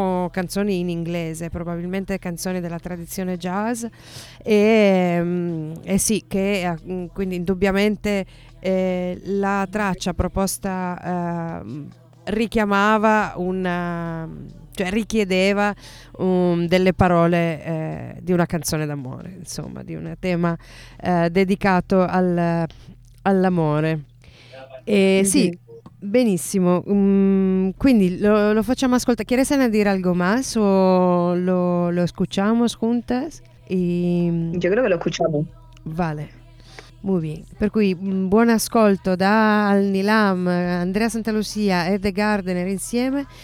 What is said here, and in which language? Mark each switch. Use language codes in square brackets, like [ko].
[it] canzoni in inglese, probabilmente canzoni della tradizione jazz, e sì, che quindi indubbiamente la traccia proposta richiamava richiedeva delle parole di una canzone d'amore, insomma, di un tema dedicato all'amore. Sì, benissimo. Quindi lo facciamo ascoltare. [es] ¿Quieres añadir algo más o lo escuchamos juntas? Yo creo que lo escuchamos. Vale, muy bien. [it] Per cui buon ascolto da Al Nilam, Andrea Santa Lucia e The Gardener insieme.